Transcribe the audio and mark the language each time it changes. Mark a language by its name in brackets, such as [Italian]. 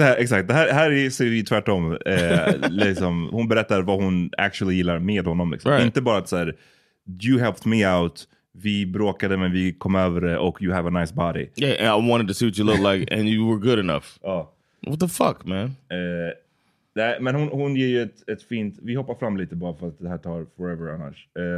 [Swedish] Exakt, det här ser vi tvärtom. Liksom, hon berättar vad hon actually gillar med honom. Liksom. [English] Right. [Swedish] Inte bara att såhär, [English] you helped me out. [Swedish] Vi bråkade men vi kom över det och [English] you have a nice body. Yeah, and I wanted to see what you look like and you were good enough. Oh. What the fuck, man? [Swedish] Men hon ger ju ett fint, vi hoppar fram lite bara för att det här tar forever annars.